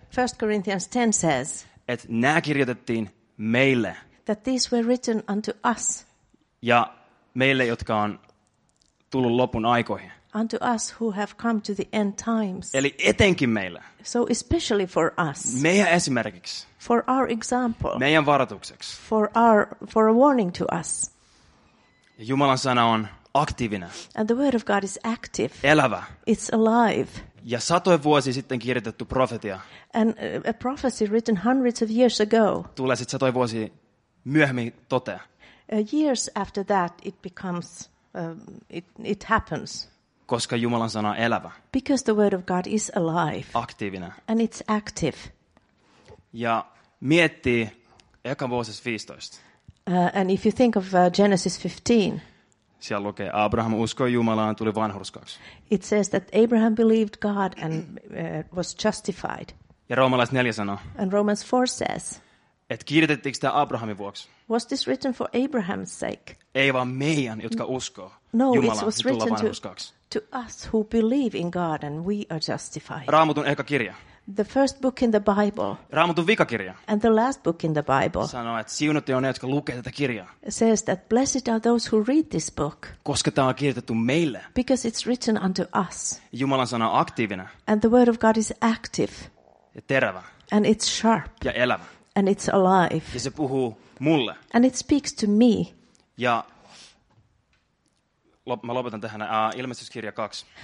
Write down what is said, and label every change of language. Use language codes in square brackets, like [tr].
[en] First Corinthians 10 says, [fi] että nämä kirjoitettiin meille. [en] That these were written unto us. [fi] Ja meille, jotka on tullut lopun aikoihin. [en] Unto us who have come to the end times. [fi] Eli etenkin meille. [en] So especially for us. [fi] Meidän esimerkiksi. [en] For our example. [fi] Meidän varoitukseksi. [en] For a warning to us. [fi] Ja Jumalan sana on aktiivinen. [en] And the word of God is active. [fi] Elävä. [en] It's alive. [fi] Ja satoja vuosia sitten kirjoitettu profetia. [en] And a prophecy written hundreds of years ago. [fi] Tulee sitten satoja vuosia myöhemmin totea. [en] Years after that it becomes, it happens. [fi] Koska Jumalan sana on elävä. [en] Because the word of God is alive. [fi] Aktiivinen. [en] And it's active. [fi] Ja miettii ekan Mooses 15. [en] And if you think of Genesis 15. [fi] Siellä lukee, Abraham uskoi Jumalaan, tuli vanhurskaaksi. [en] It says that Abraham believed God and was justified. [fi] Ja Roomalais 4 sanoo. [en] And Romans 4 says. [fi] Että kirjoitettiinko tämä Abrahamin vuoksi? [en] Was this written for Abraham's sake? [fi] Ei vaan meidän, jotka uskoo Jumalaan, [en] no, it was written to us who believe in God and we are justified. [fi] Raamatun eka kirja. [en] The first book in the Bible. [fi] Raamatun vikakirja. [en] And the last book in the Bible. [fi] Sanoo, että siunattuja on ne, jotka lukee tätä kirjaa. [en] Says that blessed are those who read this book. [fi] Koska tämä on kirjoitettu meille. [en] Because it's written unto us. [fi] Jumalan sana on aktiivinen. [en] And the word of God is active. [fi] Ja terävä. [en] And it's sharp. [fi] Ja elävä. [en] And it's alive. [fi] Ja se puhuu mulle. [en] And it speaks to me. [fi] Ja mä lopetan tähän ilmestyskirja 2.